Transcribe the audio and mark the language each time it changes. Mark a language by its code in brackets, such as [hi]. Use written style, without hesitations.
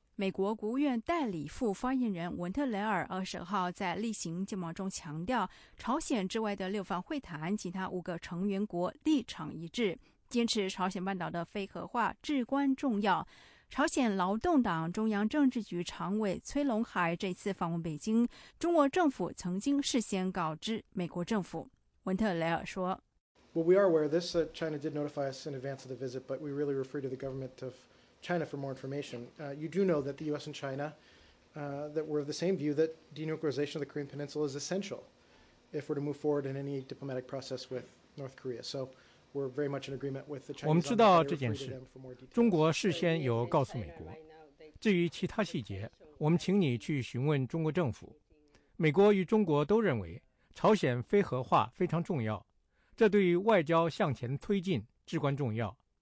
[zh] 美国国务院代理副发言人文特雷尔20号在例行见报中强调，朝鲜之外的六方会谈其他5个成员国立场一致，坚持朝鲜半岛的非核化至关重要。朝鲜劳动党中央政治局常委崔龙海这次访问北京，中国政府曾经事先告知美国政府。文特雷尔说 [en] ：“Well, we are aware of this. China did notify us in advance of the visit, but we really refer to the government of China for more information. You do know that the U.S. and China, that we're of the same view that denuclearization of the Korean Peninsula is essential if we're to move forward in any diplomatic process with North Korea. So.” [zh] 我们知道这件事，中国事先有告诉美国。至于其他细节，我们请你去询问中国政府。美国与中国都认为朝鲜非核化非常重要，这对于外交向前推进至关重要。